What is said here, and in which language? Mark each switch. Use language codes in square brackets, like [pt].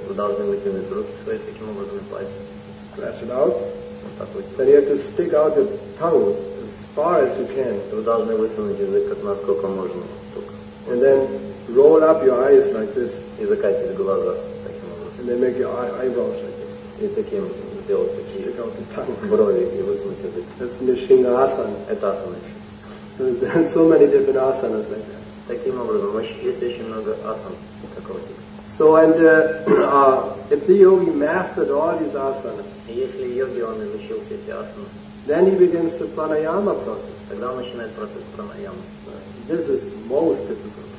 [ru] Вы должны вытянуть руки свои таким образом, пальцы. [en] Stretch it out. [ru] Вот так вытянуть. [en] Then you have to stick out your tongue as far as you can. [ru] Вы должны высунуть язык как насколько можно. [en] And then roll up your eyes like this. [ru] И закатить глаза таким образом. [en] And then make your eyebrows like this. [ru] И таким сделать такие. [en] Stick out the tongue. [ru] Брови и высунуть язык. [en] That's Nishinga asana. [ru] Это асана. [en] There are so many different asanas like that. [ru] Таким образом, есть очень много асан такого типа. [en] So and if the yogi mastered all these asanas, [ru] если йоги он изучил все эти асаны, [en] then he begins the pranayama process. [ru] Тогда он начинает процесс пранаямы. [en] This is most difficult.